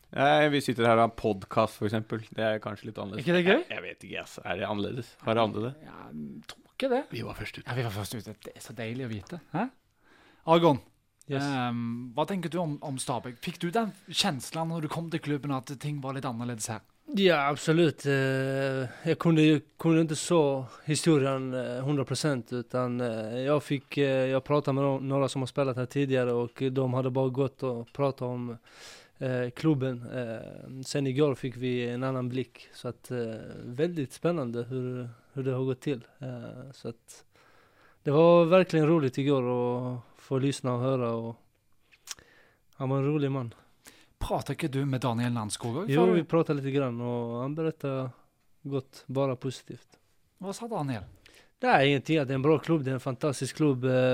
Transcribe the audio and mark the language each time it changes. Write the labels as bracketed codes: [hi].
[no] Nei, vi sitter her og har en podcast for eksempel. Det er kanskje litt annerledes. Ikke det gøy? Jeg vet ikke, altså. Er det annerledes? Har det andre det? Ja, tror ikke det. Vi var først ute. Ja, vi var først ute. Det er så deilig å vite. Hæ? Agon. [en] Yes. [no] Hva tenker du om Stabæk? Fikk du den kjenslen når du kom til klubben at ting var litt annerledes her? [sv] Ja, absolut. Jag kunde inte så historien 100% utan jag pratade med några som har spelat här tidigare och de hade bara gått och pratat om klubben. Sen igår fick vi en annan blick så att väldigt spännande hur det har gått till. Så att det var verkligen roligt igår att få lyssna och höra och han var en rolig man. [no] Pratar ikke du med Daniel Landskog også? [sv] Jo, vi pratade lite grann och han berättade gott, bara positivt. Vad sa Daniel? Det är ingenting, det är en bra klubb, det är en fantastisk klubb.